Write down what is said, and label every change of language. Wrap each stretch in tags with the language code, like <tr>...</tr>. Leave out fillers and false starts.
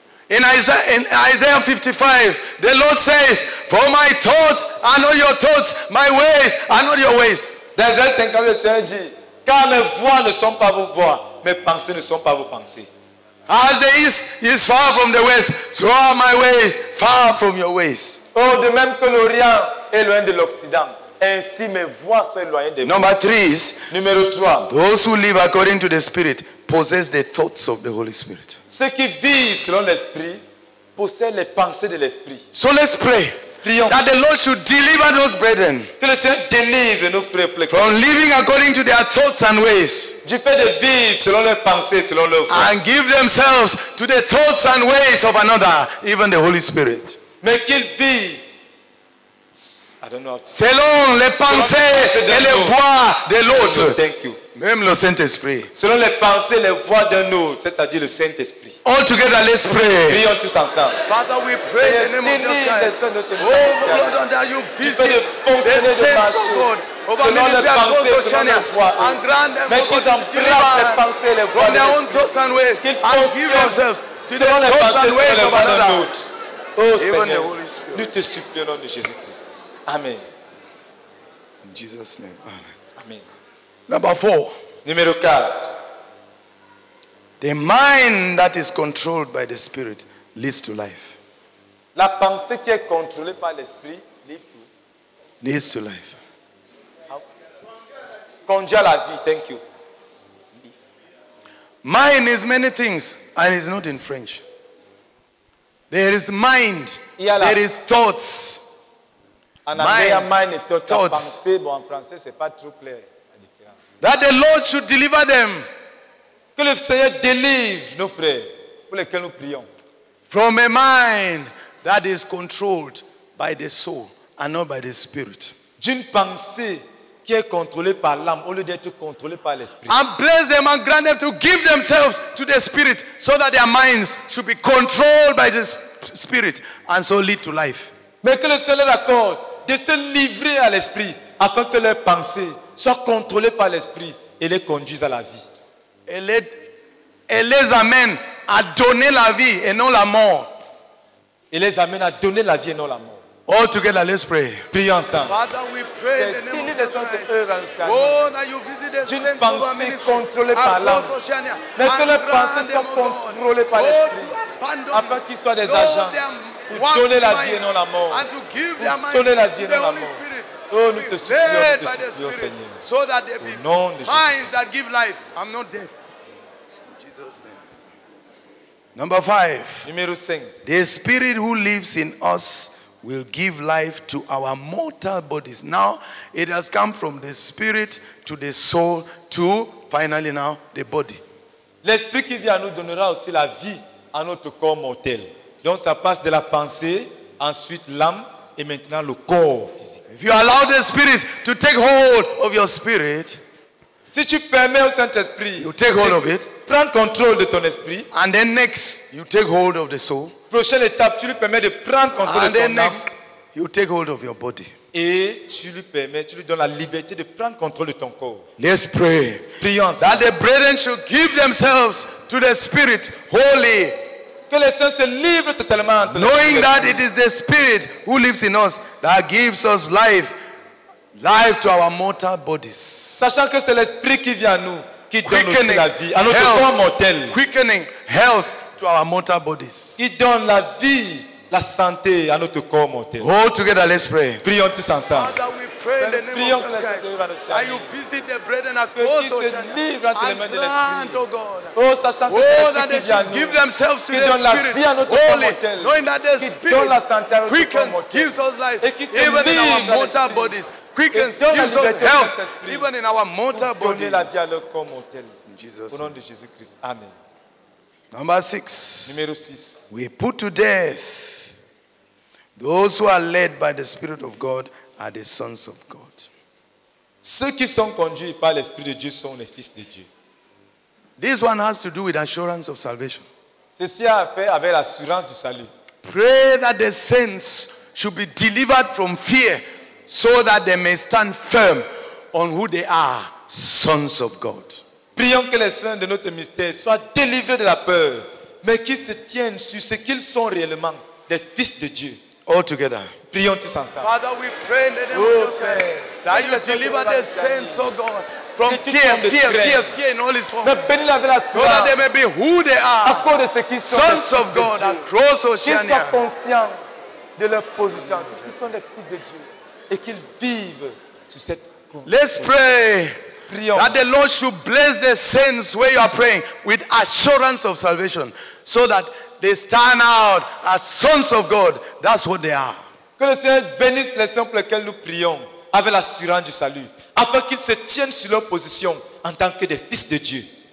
<en>In Isaiah 55, the Lord says, for my thoughts are not your thoughts, my ways are not your ways.</en> <fr>Dans Isaïe 50, le Seigneur dit, car mes voix ne sont pas vos voix, mes pensées ne sont pas vos pensées.</fr> <en>As the east is far from the west, so are my ways far from your ways.</en> <fr>Oh, de même que l'Orient est loin de l'Occident, ainsi mes voix sont éloignées de vous.</fr> <en>Number three is,</en> <fr>numéro 3,</fr> <en>those who live according to the Spirit possess the thoughts of the Holy Spirit.</en> <fr>Ceux qui vivent selon l'Esprit possèdent les pensées de l'Esprit.</fr> <en>So let's pray.</en> <fr>prions.</fr> <en>That the Lord should deliver those brethren.</en> <fr>Que le Seigneur délivre nos frères plaignants.</fr> <en>From living according to their thoughts and ways.</en> <fr>Du fait de vivre selon leurs pensées, selon leurs voies.</fr> <en>And give themselves to the thoughts and ways of another, even the Holy Spirit.</en> <fr>Mais qu'ils vivent. Selon les pensées et les voix de l'autre.</fr> <en>Thank you.</en> <fr>Même le Saint-Esprit. Selon les pensées, les voix d'un autre, c'est-à-dire le Saint-Esprit.</fr> <en>All together, let's pray.</en> <fr>Prions tous ensemble.</fr> <en>Father, we pray in the name of Jesus. Oh, Lord, that you visit the saints of God.</en> <fr>Selon les pensées, selon les voix. Mais qu'ils embrassent les pensées, les voix d'un autre. Qu'ils fonctionnent selon les pensées, selon les voix d'un autre. Oh, Seigneur, nous te supplions au nom de Jésus-Christ. Amen.</fr> <en>In Jesus' name. Amen. Amen. Number four.</en> <fr>Numéro 4.</fr> <en>The mind that is controlled by the spirit leads to life.</en> <fr>La pensée qui est contrôlée par l'esprit</fr> <en>leads to life.</en> <fr>Conduit à la vie.</fr> <en>Thank you. Mind is many things and it's not in French. There is mind. There is thoughts.</en> <fr>En anglais, mind et thoughts. Pensée, bon, en français, c'est pas trop clair la différence.</fr> <en>That the Lord should deliver them.</en> <fr>Que le Seigneur délivre nos frères pour lesquels nous prions.</fr> <en>From a mind that is controlled by the soul and not by the spirit.</en> <fr>D'une pensée qui est contrôlée par l'âme au lieu d'être contrôlée par l'esprit.</fr> <en>And bless them and grant them to give themselves to the spirit so that their minds should be controlled by the spirit and so lead to life.</en> <fr>Mais que le Seigneur accorde de se livrer à l'esprit afin que leurs pensées soient contrôlées par l'esprit et les conduisent à la vie. Et les amène à donner la vie et non la mort. Et les amène à donner la vie et non la mort.</fr> <en>All together, let's pray.</en> <fr>Prions ensemble.</fr> <en>Father, we pray in the name of Christ. Oh, that you visit the saints of our ministry.</en> <fr>D'une pensée contrôlée par l'âme. Mais que leurs pensées soient contrôlées par l'esprit afin qu'ils soient des agents. Donner la vie et non la mort. Donner la vie et non la mort. Oh, nous te supplions, Seigneur.</fr> <en>So that there be minds that give life. I'm not dead. In Jesus' name. Number 5.</en> <fr>Numéro 5.</fr> <en>The spirit who lives in us will give life to our mortal bodies. Now, it has come from the spirit to the soul to, finally now, the body.</en> <fr>L'esprit qui vient nous donnera aussi la vie à notre corps mortel. Donc ça passe de la pensée, ensuite l'âme et maintenant le corps physique.</fr> <en>If you allow the spirit to take hold of your spirit,</en> <fr>si tu permets au Saint-Esprit,</fr> <en>you take hold of it,</en> <fr>prendre contrôle de ton esprit,</fr> <en>and then next you take hold of the soul.</en> <fr>Prochaine étape, tu lui permets de prendre contrôle</fr> <en>and</en> <fr>de ton</fr> <en>then next,</en> <fr>âme.</fr> <en>You take hold of your body.</en> <fr>Et tu lui permets, tu lui donnes la liberté de prendre contrôle de ton corps.</fr> <en>Let's pray.</en> <fr>Prions.</fr> <en>That the brethren should give themselves to the spirit wholly.</en> <fr>Que les saints se livrent totalement.</fr> <en>Knowing that it is the spirit who lives in us that gives us life, life to our mortal bodies.</en> <fr>Sachant que c'est l'esprit qui vient à nous qui donne la vie à notre corps mortel.</fr> <en>Quickening health to our mortal bodies.</en> <fr>Il donne la vie, la santé à notre corps mortel.</fr> <en>All together, let's pray.</en> <fr>Prions tous ensemble.</fr> <en>Pray in the name of Jesus. Christ. And you visit the brethren at the end of the day. Oh, God. Oh, that they should give themselves to the Spirit. Knowing that the Spirit quickens, gives us life. Even in our mortal bodies. Quickens, gives us health. Even in our mortal bodies. In Jesus' name. Jesus Christ. Amen. Number 6.</en> <fr>Numéro 6.</fr> <en>We put to death those who are led by the Spirit of God are the sons of God.</en> <fr>Ceux qui sont conduits par l'Esprit de Dieu sont les fils de Dieu.</fr> <en>This one has to do with assurance of salvation.</en> <fr>Ceci a fait avec l'assurance du salut.</fr> <en>Pray that the saints should be delivered from fear so that they may stand firm on who they are, sons of God.</en> <fr>Prions que les saints de notre mystère soient délivrés de la peur, mais qu'ils se tiennent sur ce qu'ils sont réellement, des fils de Dieu.</fr> <en>All together.</en> <fr>Prions tous ensemble.</fr> <en>Father, we pray in the name of Jesus Christ that you deliver the saints, O God, from fear in all its forms. So that they may be who they are. Sons of God, across Oceania.</en> <fr>Qu'ils soient conscients de leur position. Qu'ils sont les fils de Dieu. Et qu'ils vivent sur cette conscience.</fr> <en>Let's pray.</en> <fr>Prions.</fr> <en>That the Lord should bless the saints where you are praying with assurance of salvation. So that they stand out as sons of God. That's what they are.</en> <fr>Que le Seigneur bénisse les saints pour lesquels nous prions avec l'assurance du salut, afin qu'ils se tiennent sur leur position en tant que des fils de Dieu.</fr>